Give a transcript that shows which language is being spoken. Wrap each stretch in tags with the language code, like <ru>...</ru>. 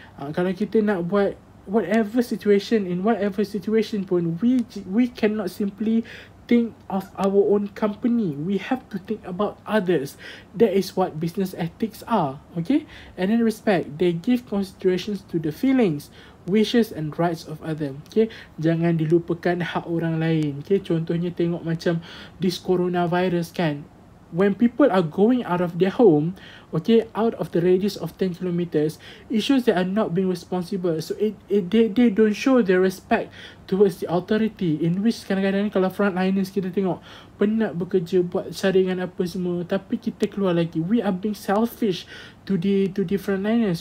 <ms>Kalau kita nak buat</ms> <en>whatever situation, in whatever situation pun, we cannot simply think of our own company. We have to think about others. That is what business ethics are. Okay? And in respect, they give considerations to the feelings, wishes and rights of others.</en> <ms>Okay, jangan dilupakan hak orang lain. Okay, contohnya tengok macam this coronavirus kan.</ms> <en>When people are going out of their home, okay, out of the radius of 10 kilometers, it shows they are not being responsible. So they don't show their respect towards the authority, in which</en> <ms>kadang-kadang kalau frontliners kita tengok penat bekerja buat saringan apa semua, tapi kita keluar lagi,</ms> <en>we are being selfish to the frontliners.</en>